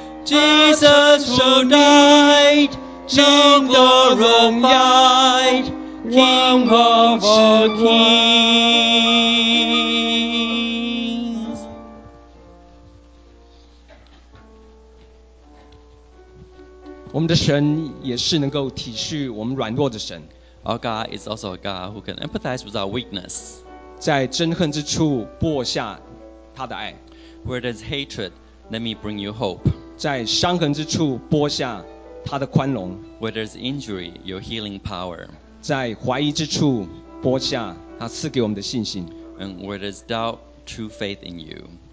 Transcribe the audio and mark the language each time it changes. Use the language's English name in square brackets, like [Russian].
[English] Jesus tonight, King the Romite, King of all kings. Our God is also a God who can empathize with our weakness. [Chinese] 在憎恨之处播下他的爱。 [English] Where there's hatred, let me bring you hope. [Chinese] 在伤痕之处播下他的宽容。 [English] Where there's injury, your healing power. [Chinese] 在怀疑之处播下他赐给我们的信心。 [English] And where there's doubt, true faith in you.